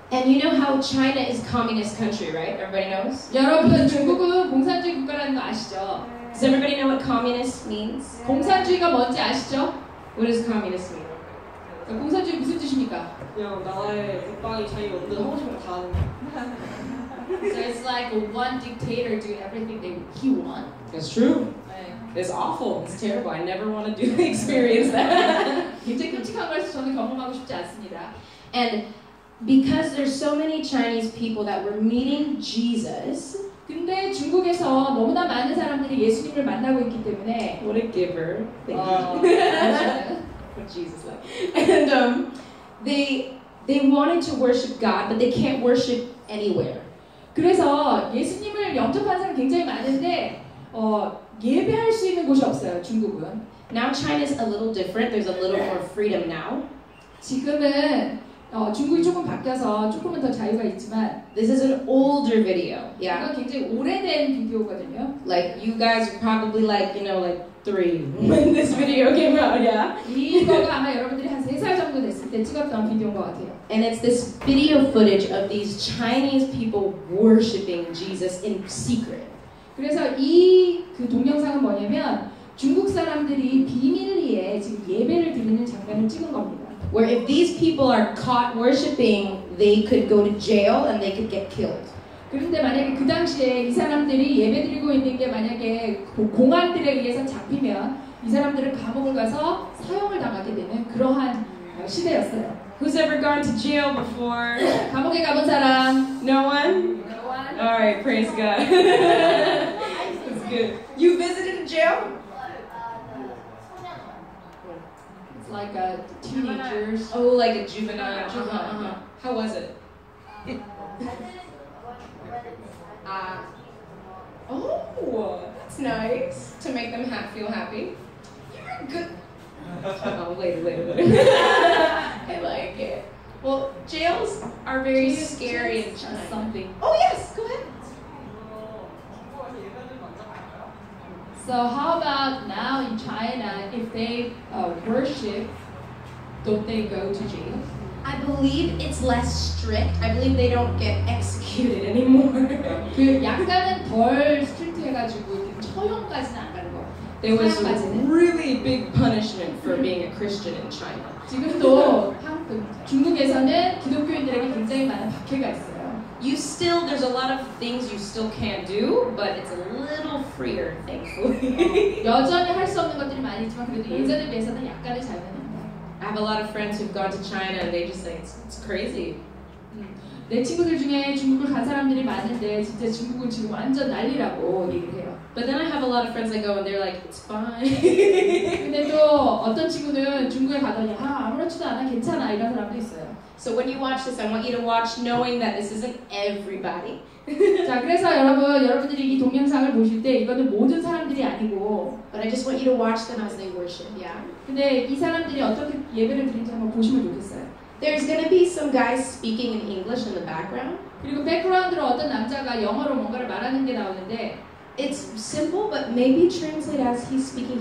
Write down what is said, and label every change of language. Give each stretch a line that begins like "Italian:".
English: And you know how China is communist country, right? Everybody knows?
Korean: 여러분, 중국은 공산주의 국가라는 거 아시죠?
English: Does everybody know what communist means?
Korean: 공산주의가 뭔지 아시죠?
English: What does communist mean?
Korean: 공산주의 무슨 뜻입니까? 그냥 나라의 국방이 자기가 없는 하고 싶은 거 다 하는 거.
English: So it's like one dictator doing everything that he wants. That's true. It's awful. It's terrible. I never want to do the experience that.
Korean: 굉장히 끔찍한 거라서 저는 경험하고 싶지 않습니다.
English: And because there's so many Chinese people that were meeting Jesus.
Korean: 근데 중국에서 너무나 많은 사람들이 예수님을 만나고 있기 때문에.
English: What a giver. Thank you. Jesus like. And they wanted to worship God, but they can't worship anywhere.
Korean: 그래서 예수님을 영접한 사람 굉장히 많은데 예배할 수 있는 곳이 없어요, 중국은.
English: Now China's a little different. There's a little more freedom now.
Korean: 지금은 중국이 조금 바뀌어서 조금은 더 자유가 있지만
English: This is an older video. Yeah.
Korean: 이거 굉장히 오래된 비디오거든요.
English: Like you guys are probably like, you know, like when this video came out, yeah.
Korean: 이거가 아마 여러분들이 한 세 살 정도 됐을 때 찍었던 비디오인 것 같아요.
English: And it's this video footage of these Chinese people worshiping Jesus in secret.
Korean: 그래서 이 그 동영상은 뭐냐면 중국 사람들이 비밀리에 지금 예배를 드리는 장면을 찍은 겁니다.
English: Where if these people are caught worshiping, they could go to jail and they could get killed.
Korean: 그런데 만약에 그 당시에 이 사람들이 예배 드리고 있는 게 만약에 공안들에 의해서 잡히면 이 사람들을 감옥을 가서 사형을 당하게 되는 그러한 시대였어요.
English: Who's ever gone to jail before?
Korean: 감옥에 가본 사람?
English: No one? No one. All right, praise God. That's good. You visited a jail? It's like a teenager's. Oh, like a juvenile. Uh-huh. How was it? Oh, that's nice to make them feel happy. You're a good. Oh, wait. I like it. Well, jails are very scary in China. Something. Oh, yes, go ahead. So, how about now in China, if they worship, don't they go to jail? I believe it's less strict. I believe they don't get executed anymore.
Korean: 그 약간은 덜 스트릭트해가지고 처형까지는 안 가는 거.
English: There was really big punishment for being a Christian in China.
Korean: 지금도 중국에서는 기독교인들에게 굉장히 많은 박해가 있어요.
English: You still there's a lot of things you still can't do, but it's a little freer, thankfully.
Korean: 여전히 할 수 없는 것들이 많이 있지만 그래도 예전에 비해서는 약간은 자유는.
English: I have a lot of friends who've gone to China and they just say it's crazy.
Korean: 내 친구들 중에 중국을 간 사람들이 많은데 진짜 중국은 지금 완전 난리라고 얘기를 해요.
English: But then I have a lot of friends that go and they're like it's fine.
Korean: 근데 또 어떤 친구는 중국에 가더니 아 아무렇지도 않아 괜찮아 이런 사람도 있어요.
English: So when you watch this, I want you to watch knowing that this isn't everybody.
Korean: 자 그래서 여러분들이 이 동영상을 보실 때 이거는 모든 사람들이 아니고
English: But I just want you to watch them as they worship, yeah.
Korean: 근데 이 사람들이 어떻게 예배를 드리는지 한번 보시면 좋겠어요.
English: There's gonna be some guys speaking in English in the background.
Korean: 그리고 백그라운드로 어떤 남자가 영어로 뭔가를 말하는 게 나오는데
English: It's simple, but maybe translate as he's speaking.